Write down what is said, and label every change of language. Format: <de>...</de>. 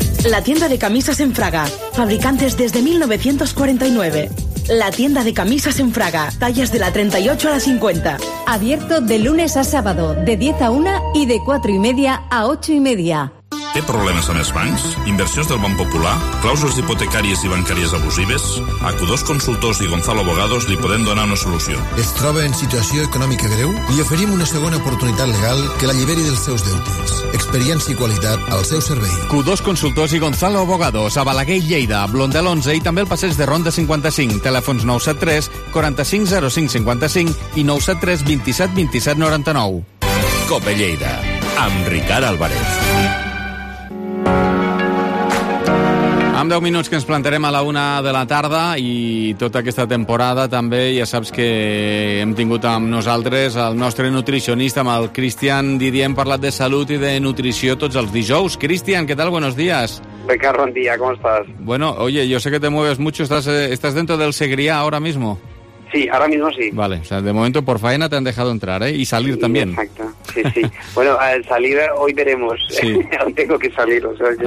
<es>La tienda de camisas en Fraga. Fabricantes desde 1949. La tienda de camisas en Fraga. Tallas de la 38 a la 50. Abierto de lunes a sábado, de 10 a 1 y de 4 y media a 8 y media.</es> <ca>Té problemes amb els bancs? Inversions del Banc Popular? Clàusules hipotecàries i bancàries abusives? A Codós Consultors i Gonzalo Abogados li podem donar una solució. Es troba en situació econòmica greu? Li oferim una segona oportunitat legal que l'alliberi dels seus deutes. Experiència i qualitat al seu servei. Codós Consultors i Gonzalo Abogados, a Balaguer, Lleida, Blondel 11 i també el passeig de Ronda 55. Telèfons 973 45 0555 i 973 27 27 99. COPE Lleida, amb Ricard Álvarez. Amb 10 minuts que ens plantarem a la 1 de la tarda i tota aquesta temporada també ja saps que hem tingut amb nosaltres el nostre nutricionista, amb el Cristian Didier. Hem parlat de salut i de nutrició tots els dijous. Cristian, què tal?</ca> <es>Buenos días. Ricardo, buen día, ¿cómo estás? Bueno, oye, yo sé que te mueves mucho, ¿estás dentro del Segrià ahora mismo? Sí, ahora mismo sí. Vale, o sea, de momento por faena te han dejado entrar, ¿eh? Y salir sí, también. Exacto, sí, sí. Bueno, al salir hoy veremos. Sí. Hoy tengo que salir, o sea,</es>